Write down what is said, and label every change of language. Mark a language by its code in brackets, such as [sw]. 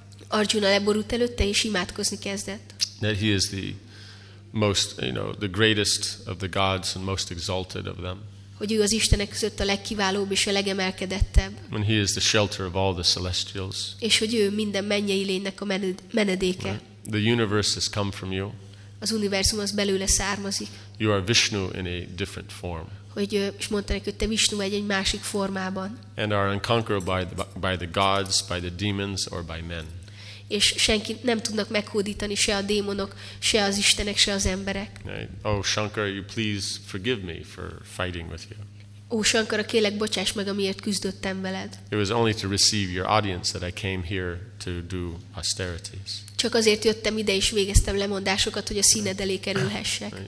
[hu] Arjuna leborult előtte és imádkozni kezdett. [en] That he is the most, you know, the greatest of the gods and most exalted of them. [hu] Hogy ő az istenek között a legkiválóbb és a legemelkedettebb. [en] And he is the shelter of all the celestials. [hu] És hogy ő minden mennyei lénynek a menedéke. [en] The universe has come from you. [hu] Az univerzum az belőle származik. [en] You are Vishnu in a different form. [hu] Hogy és mondta neki, hogy te Vishnu vagy egy másik formában. [en] And are unconquerable by the gods, by the demons or by men. [hu] És senki nem tudnak meghódítani se a démonok, se az istenek, se az emberek. [en] Oh Shankar, you please forgive me for fighting with you. [hu] Ó Shankara, kérlek bocsáss meg, amiért küzdöttem veled. [en] It was only to receive your audience that I came here to do austerities. [hu] Csak azért jöttem ide és végeztem lemondásokat, hogy a színed elé kerülhessek.